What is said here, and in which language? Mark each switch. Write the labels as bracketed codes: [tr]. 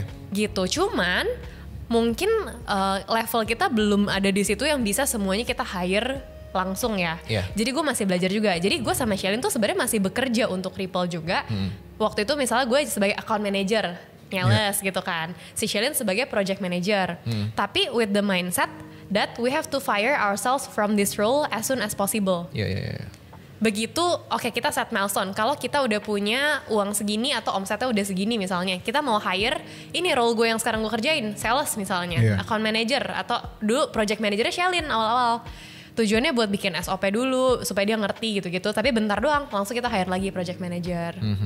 [id] Gitu, cuman mungkin level kita belum ada di situ yang bisa semuanya kita hire langsung ya. Jadi gue masih belajar juga. Jadi gue sama Shailin tuh sebenarnya masih bekerja untuk Ripple juga. Waktu itu misalnya gue sebagai account manager, nyeles gitu kan. Si Shailin sebagai project manager. [en] Tapi with the mindset that we have to fire ourselves from this role as soon as possible. [id] Begitu, kita set milestone. Kalau kita udah punya uang segini atau omsetnya udah segini misalnya, kita mau hire, ini role gue yang sekarang gue kerjain, sales misalnya, account manager, atau dulu project managernya Shailin awal-awal. tujuannya buat bikin SOP dulu supaya dia ngerti gitu-gitu, tapi bentar doang langsung kita hire lagi project manager.